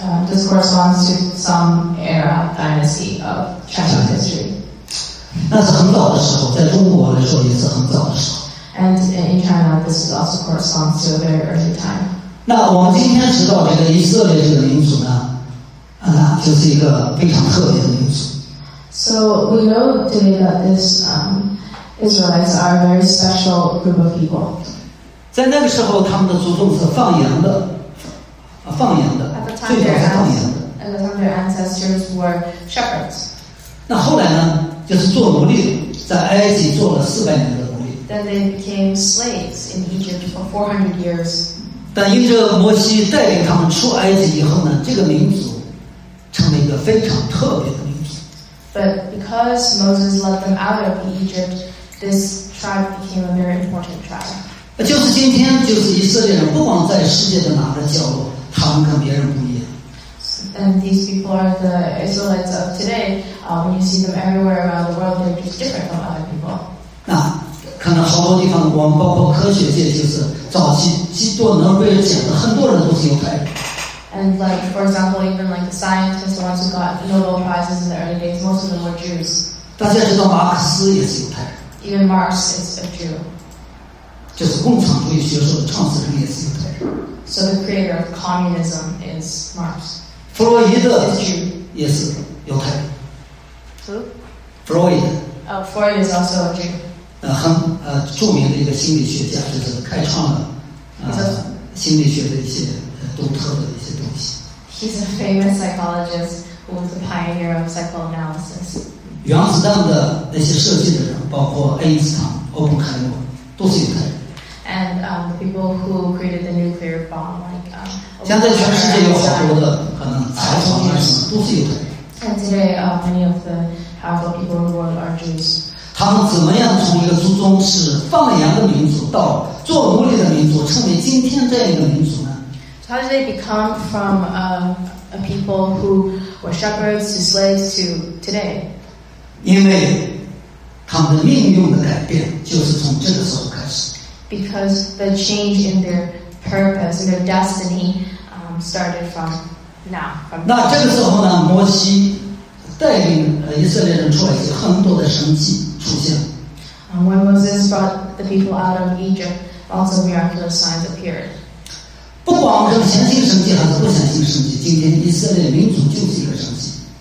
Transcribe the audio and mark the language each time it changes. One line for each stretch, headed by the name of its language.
English: This corresponds to some era dynasty of Chinese history.
Chinese: 那是很早的时候，在中国来说也是很早的时候。
English: And in China, this is also corresponds to a very early time.
Chinese: 那我们今天知道这个以色列这个民族呢，就是一个非常特别的民族。
English: So we know today that this Israelites are a very special group of people.
Chinese: 在那个时候，他们的祖宗是放羊的，放羊的，最早是放羊的。
English: At the time, their ancestors were shepherds.
Chinese: 那后来呢，就是做奴隶，在埃及做了400年的奴隶。
English: Then they became slaves in Egypt for 400 years.
Chinese: 但因着摩西带领他们出埃及以后呢，这个民族成了一个非常特别的民族。
English: But because Moses led them out of Egypt, this tribe became a very important tribe.
Chinese: 就是今天，就是以色列人，不管在世界的哪个角落，他们跟别人不一样。
English: And these people are the Israelites of today. When you see them everywhere around the world, they're just different from other people.
Chinese: 那可能好多地方，我们包括科学界，就是早期基督能被讲的，很多人都是犹太人。
English: And like for example, even like the scientists, the ones who got Nobel prizes in the early days, most of them were Jews.
Chinese: 大家知道马克思也是犹太人。
English: Even Marx is a Jew.
Chinese: 就是共产主义学说的创始人也是犹太人。
English: So the creator of communism is Marx.
Chinese: 弗洛伊德也是犹太人。
English: Who?
Chinese: 弗洛伊德。
English: 弗洛伊德 is also a Jew.
Chinese: 著名的一个心理学家，就是开创了心理学的一些独特的一些东西。
English: He's a famous psychologist who was a pioneer of psychoanalysis.
Chinese: 原子弹的那些设计的人，包括爱因斯坦、奥本海默。都是犹太人。
English: And the people who created the nuclear bomb, like.
Chinese: 现在全世界有好多的可能财团什么都是犹太人。
English: And today, many of the powerful people in the world are Jews.
Chinese: 他们怎么样从一个祖宗是放羊的民族到做奴隶的民族，成为今天这样一个民族呢
English: ？How did they become from a people who were shepherds to slaves to today?
Chinese: 因为。他们的命运的改变就是从这个时候开始。
English: Because the change in their purpose, their destiny, started from now.
Chinese: 那这个时候呢，摩西带领以色列人出来，有很多的神迹出现。
English: When Moses brought the people out of Egypt, lots of miraculous signs appeared.
Chinese: 不管是相信神迹还是不相信神迹，今天以色列民族就是一个神迹。